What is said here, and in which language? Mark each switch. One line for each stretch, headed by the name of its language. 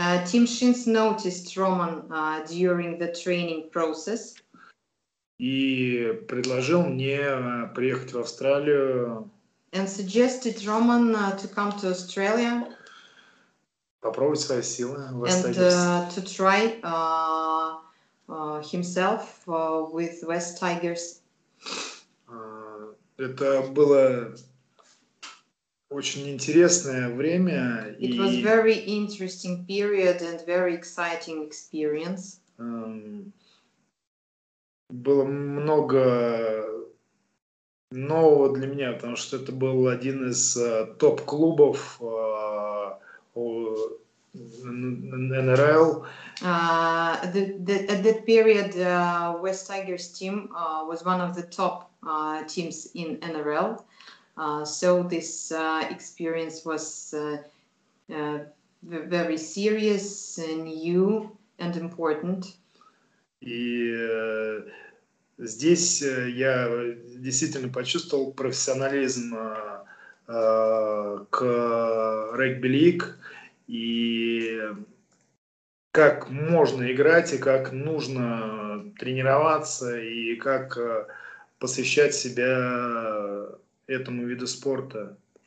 English: Tim Shins noticed Roman during the training process.
Russian: И предложил мне приехать в Австралию.
English: And suggested Roman to come to Australia.
Russian: Попробовать свои силы в
English: West Tigers. And to try himself with West Tigers.
Russian: Это было... Очень интересное время.
English: It was very interesting period and very exciting experience.
Russian: Было много нового для меня, потому что это был один из топ-клубов NRL.
English: At that period, West Tigers team was one of the top teams in NRL. So this experience was very serious and new and important.
Russian: И здесь я действительно почувствовал профессионализм к Rugby League и как можно играть и как нужно тренироваться и как посвящать себя этому виду спорта.